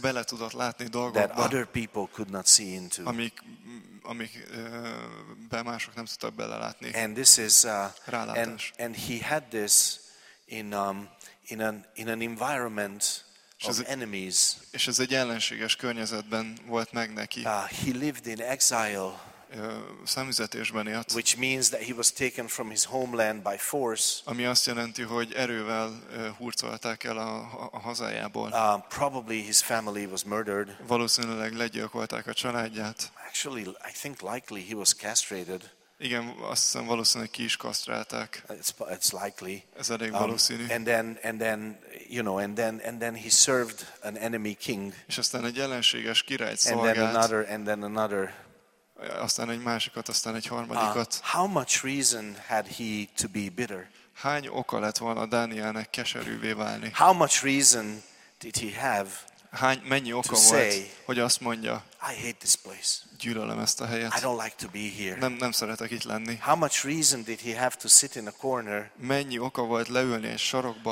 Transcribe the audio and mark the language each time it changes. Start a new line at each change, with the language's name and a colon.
Hungarian: Bele tudott látni dolgokba.
English: That other people could not see into.
Hungarian: Amik be mások nem tudtak belelátni.
English: And this is
Hungarian: rálátás.
English: And he had this in an environment of enemies.
Hungarian: És ez egy ellenséges környezetben volt meg neki.
English: He lived in exile.
Hungarian: Szemüzetésben élt.
English: Which means that he was taken from his homeland by force.
Hungarian: Ami azt jelenti, hogy erővel hurcolták el a hazájából.
English: Probably his family was murdered.
Hungarian: Valószínűleg legyilkolták a családját.
English: Actually, I think likely he was castrated.
Hungarian: Igen, azt hiszem valószínűleg ki is kasztrálták.
English: It's likely.
Hungarian: Ez elég valószínű.
English: And then he served an enemy king.
Hungarian: És aztán egy ellenséges királyt szolgált.
English: And then another.
Hungarian: Aztán egy másikat, aztán egy harmadikat.
English: How much reason had he to be bitter?
Hungarian: Hány oka lett volna Dánielnek keserűvé válni?
English: How much reason did he have?
Hungarian: hány, mennyi oka volt,
English: say,
Hungarian: hogy azt mondja,
English: I hate this place.
Hungarian: Gyűlölöm ezt a helyet.
English: I don't like to be here.
Hungarian: Nem szeretek itt lenni.
English: How much reason did he have to sit in a corner?
Hungarian: Mennyi oka volt leülni egy sarokba,